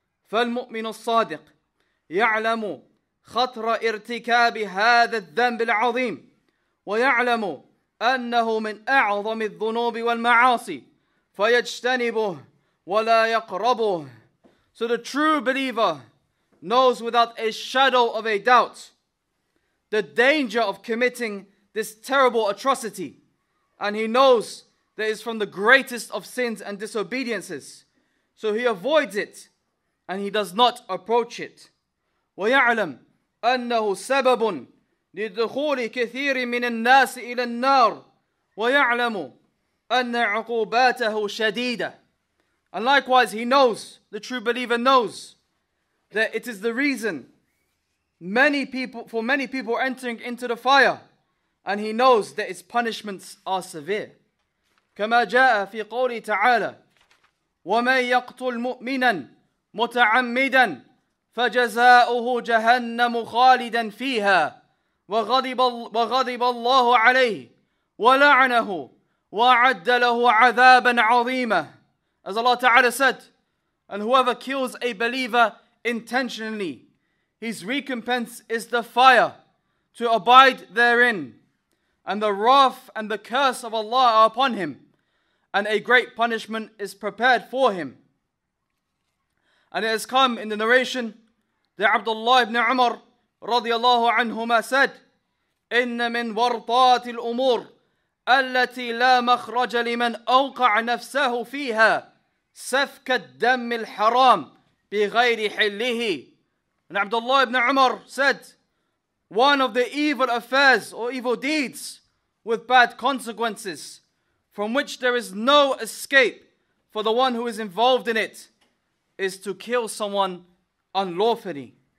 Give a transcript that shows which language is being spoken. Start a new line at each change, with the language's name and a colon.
Arabic: فالمؤمن الصادق يعلم خطر ارتكاب هذا الذنب العظيم ويعلم أنه من أعظم الذنوب والمعاصي فيجتنبه ولا يقربه.
English: So the true believer knows without a shadow of a doubt the danger of committing this terrible atrocity, and he knows that is from the greatest of sins and disobediences, so he avoids it and he does not approach it.
Arabic: ويعلم أنه سبب لدخول كثير من الناس إلى النار ويعلم أن عقوباته شديدة.
English: And likewise he knows, the true believer knows, that it is the reason for many people entering into the fire, and he knows that its punishments are severe.
Arabic: كما جاء في قوله تعالى ومن يقتل مؤمنا متعمدا فجزاؤه جهنم خالدا فيها وغضب الله عليه ولعنه وأعد له عذابا عظيما.
English: As Allah Ta'ala said, and whoever kills a believer intentionally, his recompense is the fire to abide therein, and the wrath and the curse of Allah are upon him, and a great punishment is prepared for him. And it has come in the narration that Abdullah ibn Umar radiallahu anhuma said,
Arabic: إِنَّ مِنْ وَرْطَاتِ الْأُمُورِ أَلَّتِي لَا مَخْرَجَ لِمَنْ أَوْقَعَ نَفْسَهُ فِيهَا سَفْكَ الدَّمِّ الْحَرَامِ بِغَيْرِ حِلِّهِ.
English: And Abdullah ibn Umar said, one of the evil affairs or evil deeds with bad consequences from which there is no escape for the one who is involved in it is to kill someone unlawfully.